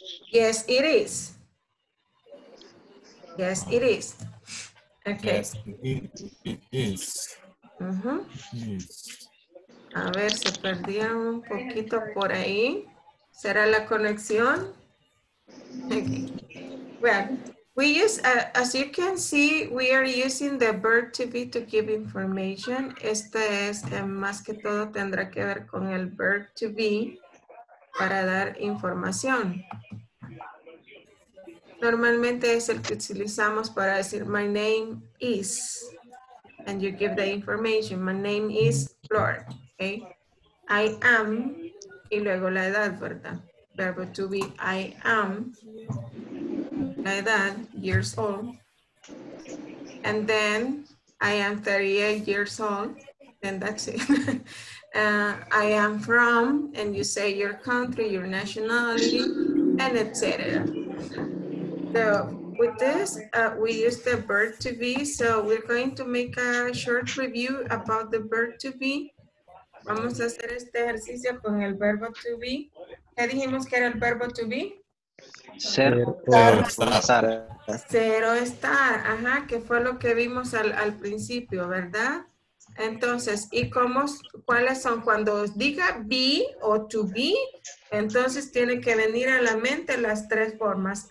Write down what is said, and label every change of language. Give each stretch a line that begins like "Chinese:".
English: Yes, it is. Yes, it is. Okay. Yes, it is.
Spanish: Uh-huh. A ver, se perdía un poquito por ahí. ¿Será la conexión? Okay.
English: Well, we use, as you can see, we are using the verb to be to give information.
Spanish: Este es, más que todo, tendrá que ver con el verb to be para dar información.
English: Normalmente es el que utilizamos para decir my name is, and you give the information, my name is Flor, okay?
Spanish: I am, y luego la edad, ¿verdad?
English: Verbo to be, I am, la edad, years old, and then I am 38 years old, and that's it. I am from, and you say your country, your nationality, and etc. So with this, we use the verb to be. So we're going to make a short review about the verb to be.
Spanish: Vamos a hacer este ejercicio con el verbo to be. ¿Qué dijimos que era el verbo to be? Ser o estar. Ser o estar. Ajá, que fue lo que vimos al principio, ¿verdad? Entonces, ¿y cómo, cuáles son? Cuando diga be o to be, entonces tiene que venir a la mente las tres formas.